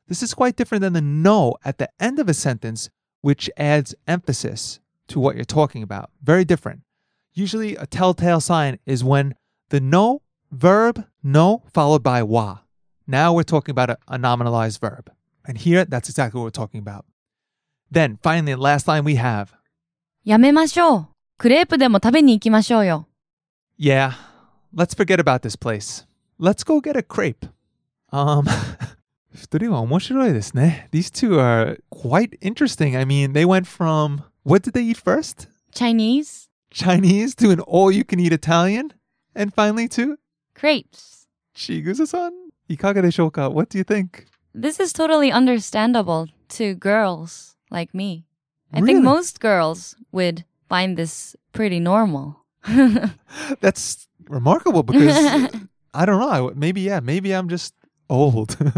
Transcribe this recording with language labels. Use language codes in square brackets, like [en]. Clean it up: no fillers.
[en] This is quite different than the no at the end of a sentence, which adds emphasis to what you're talking about. Very different. Usually, a telltale sign is when the no, verb, no, followed by wa. Now we're talking about a nominalized verb. And here, that's exactly what we're talking about. Then, finally, the last line we have. [ja] やめましょう。クレープでも食べに行きましょうよ。 [en] Yeah, let's forget about this place. Let's go get a crepe. [ja] 二人は面白いですね。 [en] These two are quite interesting. I mean, they went from... What did they eat first? Chinese to an all-you-can-eat Italian? And finally to... Crepes. [ja] Chigusa-san, いかがでしょうか? [en] What do you think? This is totally understandable to girls like me. Really? I think most girls would find this pretty normal. That's remarkable because... I don't know. Maybe I'm just... old.